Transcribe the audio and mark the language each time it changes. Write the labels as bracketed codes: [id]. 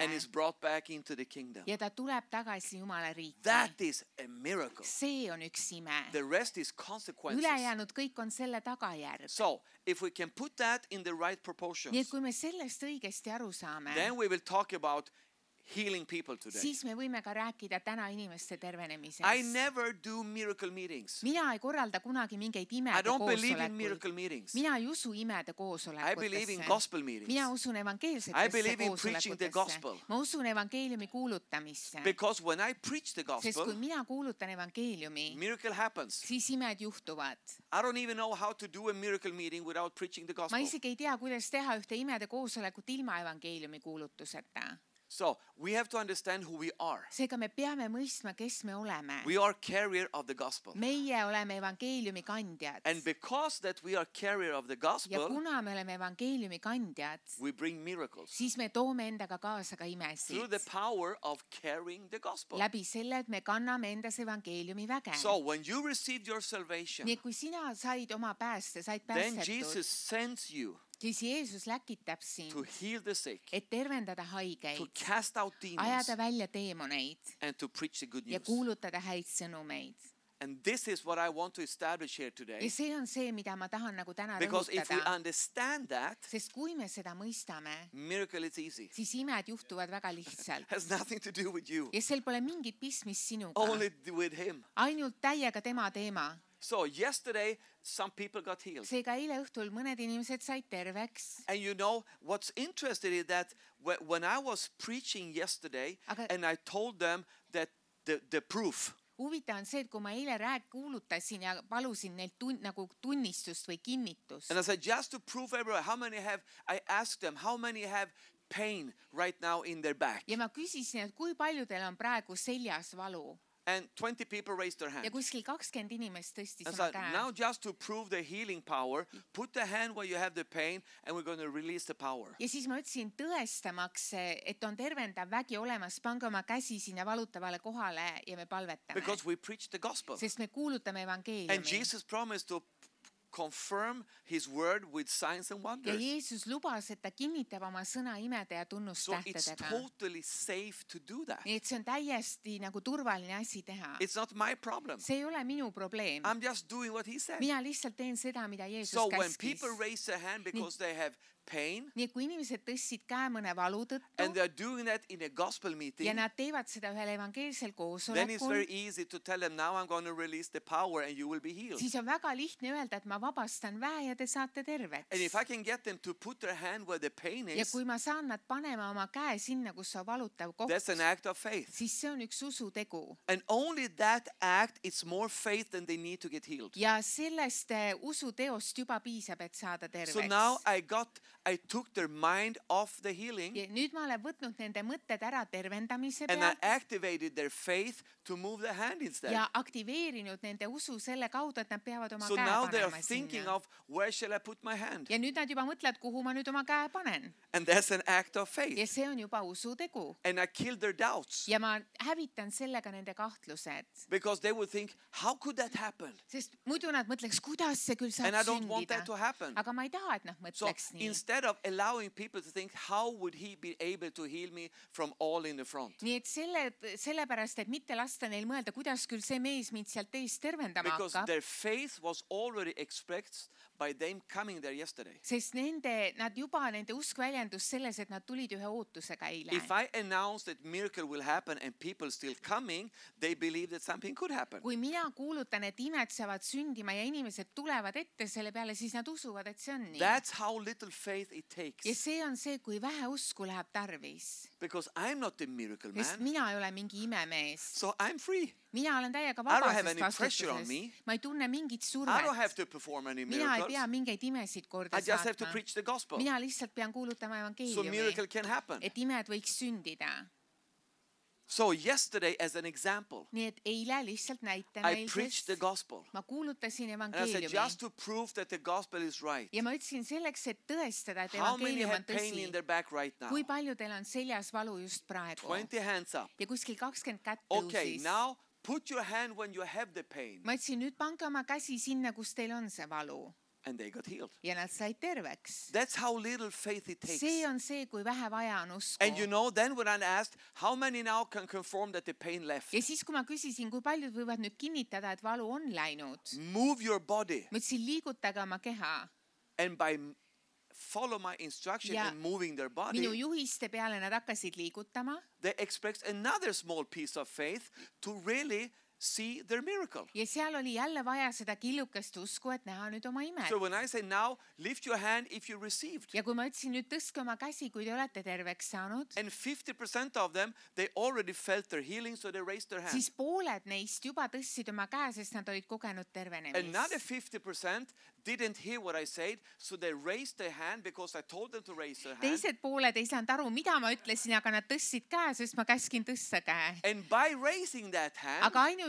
[en] And is brought back into the kingdom. [et] Ja ta tuleb tagasi Jumala riiki. [en] That is a miracle. [et] See on üks ime. [en] The rest is consequences. [et] Ülejäänud kõik on selle tagajärg. [en] So, if we can put that in the right proportions. [et] Nii et kui me sellest õigesti aru saame. [en] Then we will talk about healing people today. [et] Siis me võime ka rääkida täna inimeste tervenemisest. [en] I never do miracle meetings. [et] Mina ei korralda kunagi mingeid imede koosolekuid. [en] I don't believe in miracle meetings. [et] Mina ei usu imede koosolekutesse. [en] I believe in gospel meetings. [et] Mina usun evangeelsetesse koosolekutesse. [en] I believe in preaching the gospel. [et] Ma usun evangeeliumi kuulutamisse. [en] Because when I preach the gospel, [et] sest kui mina kuulutan evangeeliumi, [en] miracle happens. [et] Siis imed juhtuvad. [en] I don't even know how to do a miracle meeting without preaching the gospel. [et] Ma isegi ei tea, kuidas teha ühte imede koosolekut ilma evangeeliumi kuulutuseta. [en] So we have to understand who we are. [et] Seega me peame mõistma, kes me oleme. [en] We are carrier of the gospel. [et] Meie oleme evangeeliumi kandjad. [en] And because that we are carrier of the gospel, [et] ja kuna me oleme evangeeliumi kandjad, [en] we bring miracles. [et] Siis me toome endaga kaasa ka imesid. [en] Through the power of carrying the gospel. [et] Läbi selle, et me kanname endas evangeeliumi väge. [en] So when you received your salvation, [et] nii kui sina said oma pääste, said päästetud, [en] then Jesus sends you. [et] Siis Jeesus läkitab siin, [en] to heal the sick, [et] et tervendada haigeid, [en] to cast out demons, [et] ajada välja teemoneid, [en] and to preach the good news. [et] Ja kuulutada häid sõnumeid. [en] And this is what I want to establish here today. [et] Ja see on see, mida ma tahan nagu täna [en] because [et] rõhutada. [en] Because if we understand that, [et] sest kui me seda mõistame, [en] miracle is easy. [et] Siis imed juhtuvad väga lihtsalt. [en] Has nothing to do with you. [et] Ja sel pole mingit pismis sinuga. [en] Only with him. [et] Ainult täiega tema teema. [en] So yesterday some people got healed. [et] Seega eile õhtul mõned inimesed said terveks. [en] And you know what's interesting is that when I was preaching yesterday and I told them that the proof. [et] Huvita on see, et kui ma eile kuulutasin ja palusin neilt nagu tunnistust või kinnitust. [en] And I said just to prove everyone how many have I asked them how many have pain right now in their back. [et] Ja ma küsisin, et kui paljudel on praegu seljas valu. [en] And 20 people raised their hands. [et] Ja kuskil 20 inimest tõstis oma käe. [en] Now just to prove the healing power, put the hand where you have the pain and we're going to release the power. [et] Ja siis ma ütlesin tõestamaks, et on tervendav vägi olemas, pange oma käsi sinna valutavale kohale ja me palvetame. [en] Because we preach the gospel. [et] Sest me kuulutame evangeeliumi. [en] And Jesus promised to confirm his word with signs and wonders. [et] Ja Jeesus lubas, et ta kinnitab oma sõna imede ja tunnustähtedega. [en] So it's totally safe to do that. [et] Nii et see on täiesti nagu turvaline asi teha. [en] It's not my problem. [et] See ei ole minu probleem. [en] I'm just doing what he said. [et] Mina lihtsalt teen seda, mida Jeesus käskis. [en] So when people raise their hand because they have pain. [et] Nii kui inimesed tõssid käe mõne valu tõttu. [en] And they are doing that in a gospel meeting. [et] Ja nad teevad seda ühel evangeelsel koosolekul. [en] Then it's very easy to tell them now I'm going to release the power and you will be healed. [et] Siis on väga lihtne öelda, et ma vabastan väe ja te saate terveks. [en] And if I can get them to put their hand where the pain is. [et] Ja kui ma saan nad panema oma käe sinna, kus on valutav koht. [en] That's an act of faith. [et] Siis see on üks usu tegu. [en] And only that act it's more faith than they need to get healed. [et] Ja sellest usu teost juba piisab, et saada terveks. [en] So now I took their mind off the healing. [et] Ja nüüd ma olen võtnud nende mõtted ära tervendamise peal. [en] And I activated their faith to move the hand instead. [et] Ja aktiveerinud nende usu selle kaudu, et nad peavad oma [en] so [et] käe [en] now [et] panema [en] they are thinking of where shall I put my hand. [et] Ja nüüd nad juba mõtled, kuhu ma nüüd oma käe panen. [en] And that's an act of faith. [et] Ja see on juba usu tegu. [en] And I killed their doubts. [et] Ja ma hävitan sellega nende kahtlused. [en] Because they would think, how could that happen? [et] Sest muidu nad mõtleks, kuidas see küll saab sündida. [en] And I don't want that to happen. [et] Aga ma ei taha, et nad mõtleks [en] so, [et] nii. [en] Instead of allowing people to think, how would he be able to heal me from all in the front? [et] Nii et sellepärast, et mitte lasta neil mõelda, kuidas küll see mees mind seal teist tervendama [en] because [et] hakkab. [en] Because their faith was already expressed by them coming there yesterday. [et] Sest nende, nad juba nende usk väljendus selles, et nad tulid ühe ootusega eile. [en] If I announce that miracle will happen and people still coming, they believe that something could happen. [et] Kui mina kuulutan, et imed saavad sündima ja inimesed tulevad ette selle peale, siis nad usuvad, et see on nii. [en] That's how little faith it takes. [et] Ja see on see, kui vähe usku läheb tarvis. [en] Because I'm not the miracle man. [et] Sest mina ei ole mingi imemees. [en] So I'm free. [et] Mina olen täiega vabasest vastutuses. [en] I don't have any pressure on me. [et] Ma ei tunne mingit survet. [en] I don't have to perform any miracles. [et] Mina ei pea mingeid imesid korda saatma. [en] I just have to preach the gospel. [et] Mina lihtsalt pean kuulutama evangeeliumi. [en] So miracle can happen. [et] Et imed võiks sündida. [en] So yesterday as an example. [et] Nii et eile lihtsalt näite [en] I preached the gospel. [et] Ma kuulutasin evangeeliumi. [en] And I said just to prove that the gospel is right. [et] Ja ma ütlesin selleks, et tõestada, et evangeelium on tõsi. [en] How many have pain in their back right now? [et] Kui palju teil on seljas valu just praegu? [en] 20 hands up. [et] Ja kuskil 20 kätt tõusis. [en] Okay, now put your hand when you have the pain. [et] Ma ütlesin, nüüd pange oma käsi sinna, kus teil on see valu. [en] And they got healed. [et] Ja nad said terveks. [en] That's how little faith it takes. [et] See on see, kui vähe vaja on usku. [en] And you know, then when I asked, how many now can confirm that the pain left? [et] Ja siis, kui ma küsisin, kui paljud võivad nüüd kinnitada, et valu on läinud. [en] Move your body. [et] Ma ütlesin, liigutage oma keha. [en] And by follow my instruction and moving their body. [et] Minu juhiste peale nad hakkasid liigutama. [en] They expect another small piece of faith to really see their miracle. [et] Ja seal oli jälle vaja seda killukest usku, et näha nüüd oma imet. [en] So when I say now, lift your hand if you received. [et] Ja kui ma ütlesin nüüd tõske oma käsi, kui te olete terveks saanud. [en] And 50% of them, they already felt their healing, so they raised their hand. [et] Siis pooled neist juba tõssid oma käe, sest nad olid kogenud tervenemist. [en] Another 50% didn't hear what I said, so they raised their hand because I told them to raise their hand. [et] Teised pooled ei saanud aru, mida ma ütlesin, aga nad tõssid käe, sest ma käskin tõssa käe. [en] And by raising that hand,